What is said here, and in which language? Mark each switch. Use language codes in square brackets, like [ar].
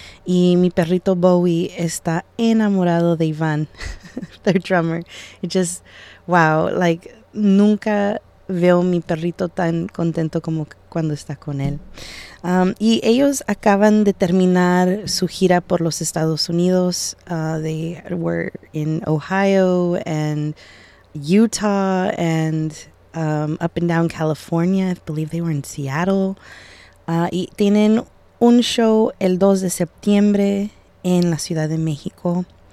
[es] Y mi perrito Bowie está enamorado de Iván, [en] their drummer. It just, wow, [es] nunca veo mi perrito tan contento como cuando está con él. Y ellos acaban de terminar su gira por los Estados Unidos. [en] They were in Ohio and Utah and up and down California. I believe they were in Seattle. [es] Y tienen un show el 2 de septiembre en la Ciudad de México.